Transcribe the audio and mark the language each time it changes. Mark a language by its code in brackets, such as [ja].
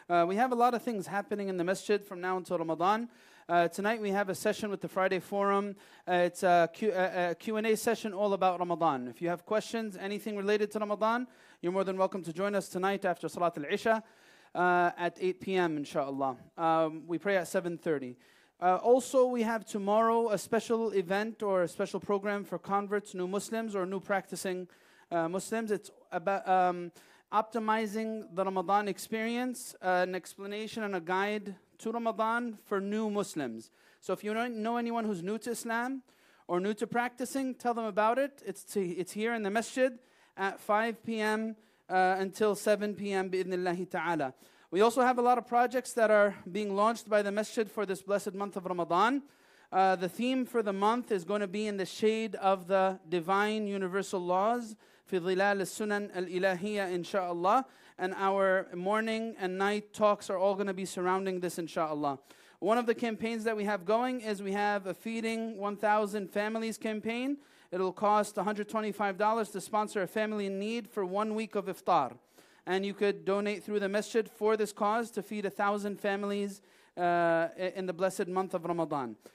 [en] we have a lot of things happening in the masjid from now until Ramadan tonight we have a session with the Friday Forum it's a Q&A session all about Ramadan if you have questions anything related to Ramadan you're more than welcome to join us tonight after Salat al-Isha at 8 p.m. inshallah we pray at 7:30 also, we have tomorrow a special event or a special program for converts, new Muslims, or new practicing Muslims. It's about optimizing the Ramadan experience, an explanation and a guide to Ramadan for new Muslims. So if you don't know anyone who's new to Islam or new to practicing, tell them about it. It's here in the masjid at 5 p.m. Until 7 p.m. bi-idhnillahi ta'ala. We also have a lot of projects that are being launched by the masjid for this blessed month of Ramadan. The theme for the month is going to be in the shade of the divine universal laws. [ar] في ظلال السنن الإلهية إن شاء الله. [en] And our morning and night talks are all going to be surrounding this inshallah. One of the campaigns that we have going is we have a Feeding 1,000 Families campaign. It'll cost $125 to sponsor a family in need for 1 week of iftar. And you could donate through the masjid for this cause to feed 1,000 families in the blessed month of Ramadan.